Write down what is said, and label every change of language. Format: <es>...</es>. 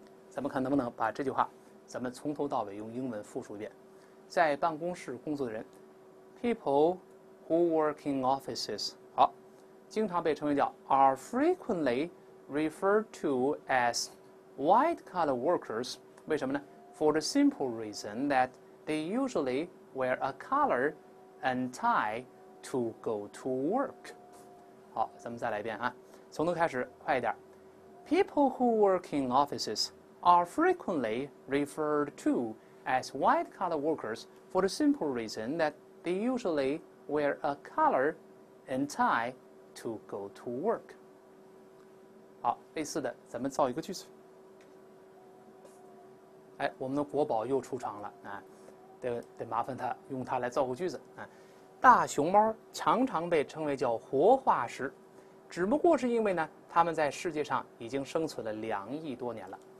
<zh>咱们看能不能把这句话，咱们从头到尾用英文复述一遍：在办公室工作的人 ，</zh> <en>people who work in offices，</en> <zh>好，经常被称为叫</zh> <en>are frequently referred to as white collar workers。</en> <zh>为什么呢</zh> <en>？For the simple reason that they usually wear a collar and tie。 To go to work.</en> <zh>好，咱们再来一遍啊，从头开始，快一点。</zh> <en>People who work in offices are frequently referred to as white-collar workers for the simple reason that they usually wear a collar and tie to go to work.</en> <zh>好，类似的，咱们造一个句子。哎，我们的国宝又出场了啊，得麻烦他用它来造个句子啊。大熊猫常常被称为叫活化石，只不过是因为呢，它们在世界上已经生存了2亿多年了。</zh>